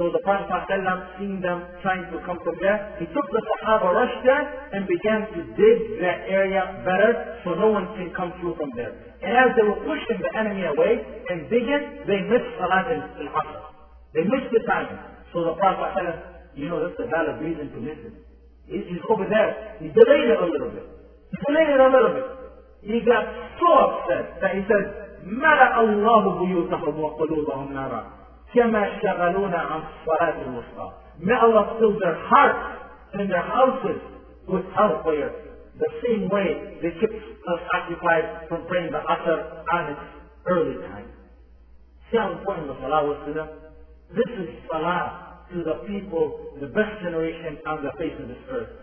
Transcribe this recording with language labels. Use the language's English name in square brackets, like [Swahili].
[English] So the Prophet ﷺ seeing them trying to come from there, he took the Sahaba rushed there and began to dig that area better so no one can come through from there. And as they were pushing the enemy away and digging, they missed Salat al-Asr. They missed the time. So the Prophet ﷺ, you know, that's a valid reason to miss it. He's over there. He delayed it a little bit. He delayed it a little bit. He got so upset that he said, [Arabic] مَلَأَ اللَّهُ بُيُوتَهُمْ وَقُلُوبَهُمْ نَارًا كَمَا شَغَلُونَ عَنْ صَلَاتِ الْوُسْطَى. [English] May Allah fill their hearts and their houses with hellfire. The same way they keep us occupied from praying the Asr at its early time. See how important the Salah was to them? This is Salah to the people, the best generation on the face of this earth.